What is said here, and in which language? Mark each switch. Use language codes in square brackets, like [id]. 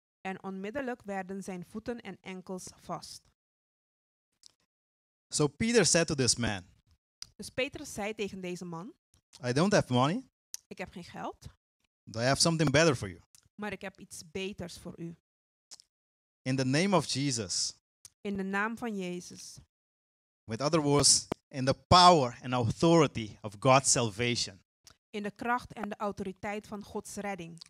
[nl] En onmiddellijk werden zijn voeten en enkels vast. [en] So Peter said to this man, [nl] dus Petrus zei tegen deze man, [en] I don't have money. [nl] Ik heb geen geld. [en] But I have something better for you. [nl] Maar ik heb iets beters voor u. [en] In the name of Jesus. [nl] In de naam van Jezus. [en] With other words, in the power and authority of God's salvation. [nl] In de kracht en de autoriteit van Gods redding.